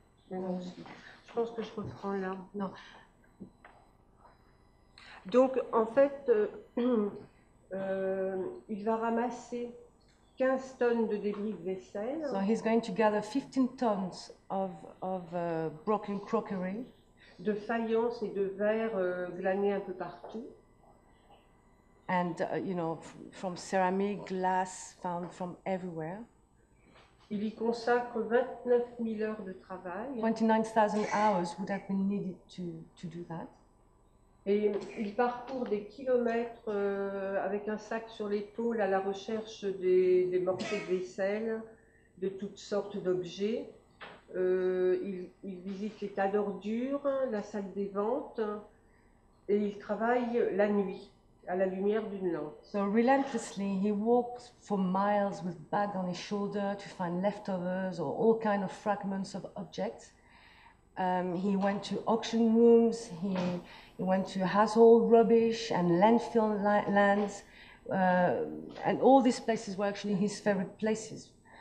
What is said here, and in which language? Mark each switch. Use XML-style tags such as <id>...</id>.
<fr>Je pense que je reprends là. Non. Donc, en fait, il va ramasser 15 tonnes de débris de vaisselle.</fr> <en>So he's going to gather 15 tons of broken crockery.</en> <fr>De faïence et de verre glanés un peu partout.</fr> <en>And, you know, from ceramic, glass, found from everywhere.</en> <fr>Il y consacre 29 000 heures de travail.</fr> <en>29,000 hours would have been needed to do that.</en> <fr>Et il parcourt des kilomètres avec un sac sur l'épaule à la recherche des morceaux de vaisselle, de toutes sortes d'objets. Il visite les tas d'ordures, la salle des ventes, et il travaille la nuit à la lumière d'une lampe.</fr> <en>So relentlessly he walks for miles with bag on his shoulder to find leftovers or all kinds of fragments of objects. He went to auction rooms, he went to household rubbish and landfill lands, and all these places were actually his favorite places.</en>